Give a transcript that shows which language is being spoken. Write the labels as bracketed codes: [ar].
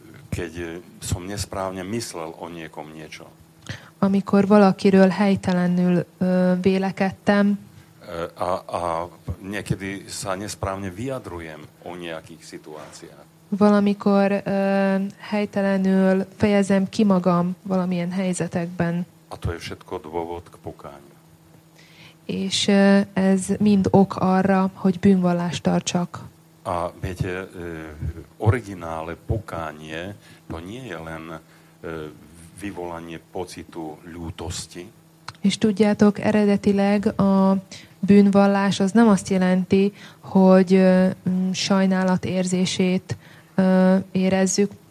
[sk] Keď som nesprávne myslel o niekom niečo. [hu] Amikor valakiről helytelenül vélekedtem. [sk] A niekedy sa nesprávne vyjadrujem o nejakých situáciách. [hu] Valamikor helytelenül fejezem ki magam valamilyen helyzetekben. [sk] A to je všetko dôvod k pokániu. [hu] És ez mind ok arra, hogy bűnvallást tartsak. [sk] A viete, originále pokánie, to nie je len vyvolanie pocitu ľútosti. [hu] És tudjátok, eredetileg a bűnvallás az nem azt jelenti, hogy sajnálat érzését érezzük.